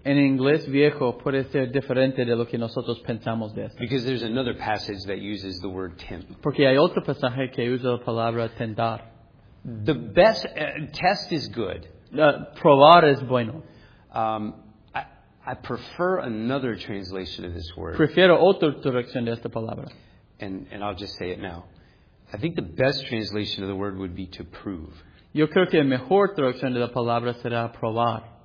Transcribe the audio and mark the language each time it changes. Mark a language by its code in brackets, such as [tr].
[es] En inglés viejo puede ser diferente de lo que nosotros pensamos de esto. [en] Because there's another passage that uses the word tempt. [es] Porque hay otro pasaje que usa la palabra tentar. [en] The best test is good. [es] Probar es bueno. [en] I prefer another translation of this word. [es] Prefiero otra traducción de esta palabra. [en] And I'll just say it now. I think the best translation of the word would be to prove. [es] Yo creo que la mejor traducción de la palabra será probar.